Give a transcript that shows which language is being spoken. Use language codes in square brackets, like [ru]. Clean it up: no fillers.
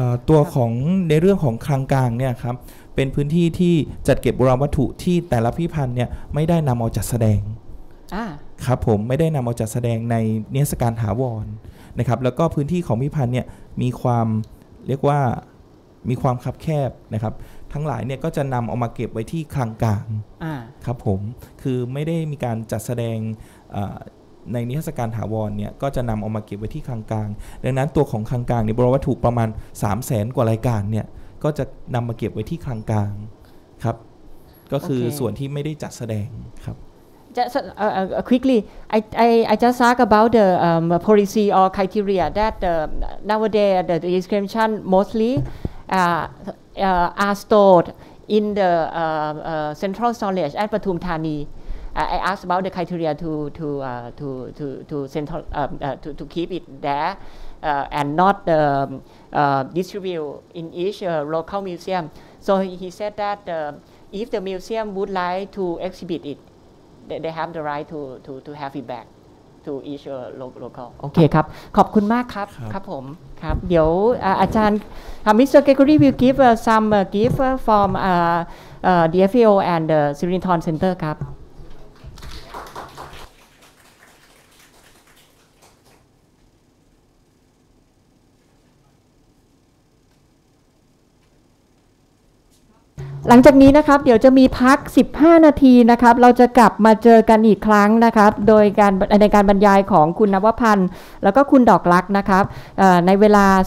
[th] ตัวของในเรื่องของคลังกลางเนี่ยครับเป็นพื้นที่ที่จัดเก็บโบราณวัตถุที่แต่ละพิพิธภัณฑ์เนี่ยไม่ได้นำเอาจัดแสดงครับผมไม่ได้นำเอาจัดแสดงในเทศกาลถาวรนะครับแล้วก็พื้นที่ของพิพิธภัณฑ์เนี่ยมีความเรียกว่ามีความคับแคบนะครับทั้งหลายเนี่ยก็จะนำเอามาเก็บไว้ที่คลังกลางครับผมคือไม่ได้มีการจัดแสดง ในนิทรรศการถาวรเนี่ยก็จะนำเอามาเก็บไว้ที่คลังกลางดังนั้นตัวของคลังกลางในโบราณวัตถุประมาณ 300,000 กว่ารายการเนี่ยก็จะนำมาเก็บไว้ที่คลังกลางครับก็คือส่วนที่ไม่ได้จัดแสดงครับ [en] Just quickly, I just ask about the policy or criteria that nowadays the inscription mostly are stored in the central storage at Pathum Thani. I ask about the criteria to keep it there and not distribute in each local museum. So he said that if the museum would like to exhibit it. They have the right to have it back to each local. [th] Okay, ครับ ขอบคุณมากครับ ครับ ผม ครับ เดี๋ยวอาจารย์ Mr. [en] Gregory will give some gift from the EFEO and the Sri-Aroon Center, [th] ครับ หลังจากนี้นะครับเดี๋ยวจะมีพัก15นาทีนะครับเราจะกลับมาเจอกันอีกครั้งนะครับโดยการในการบรรยายของคุณนวพันธ์แล้วก็คุณดอกรักนะครับในเวลา